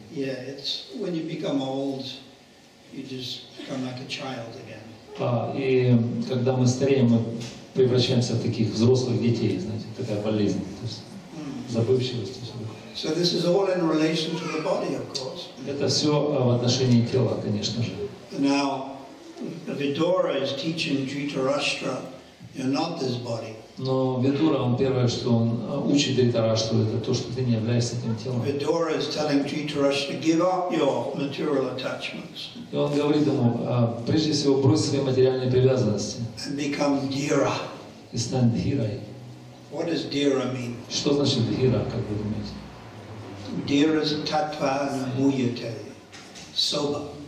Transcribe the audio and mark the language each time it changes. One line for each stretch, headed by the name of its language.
English: Yeah, it's when you become old, you just become like a child again.
Russian: И когда мы стареем, мы превращаемся в таких взрослых детей, знаете, такая болезнь, то есть забывчивость.
English: So this is all in relation to the body, of course.
Russian: Это все в отношении тела, конечно же.
English: Now, Vidura is teaching Dhritarashtra, you're not this body.
Russian: Но Ведура, он первое, что он учит Дритарашту, это то, что ты не являешься этим телом.
English: Ведура is telling Dhritarashtra to give up your material attachments.
Russian: И он говорит ему, прежде всего, брось свои материальные привязанности.
English: And become Dhira.
Russian: И стань Дхирой.
English: What does Dhira mean?
Russian: Что значит Дхира, как вы думаете? Dhira is tattva anamuyate. Soba.